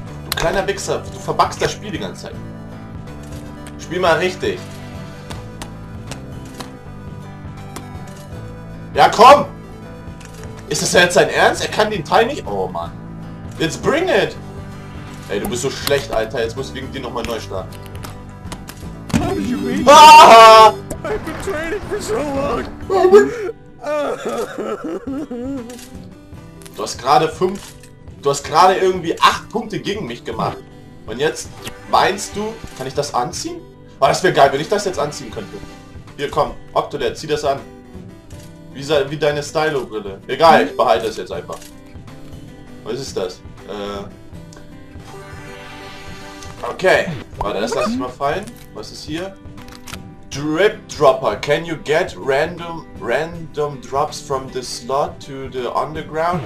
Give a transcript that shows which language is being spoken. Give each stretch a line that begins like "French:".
German: Du kleiner Wichser, du verbuggst das Spiel die ganze Zeit. Spiel mal richtig. Ja, komm! Ist das jetzt sein Ernst? Er kann den Teil nicht... Oh, Mann.
English: Let's bring it!
German: Ey, du bist so schlecht, Alter. Jetzt muss ich wegen dir nochmal neu starten. Aha!
English: I've been training for so long.
German: Du hast gerade fünf... Du hast gerade irgendwie acht Punkte gegen mich gemacht. Und jetzt meinst du, kann ich das anziehen? Oh, das wäre geil, wenn ich das jetzt anziehen könnte. Hier, komm. Octodad, zieh das an. Wie deine Stylo-Brille. Egal, ich behalte das jetzt einfach. Was ist das? Okay. Warte, das lasse ich mal fallen. Was ist hier? Drip Dropper.
English: Can you get random drops from the slot to the underground?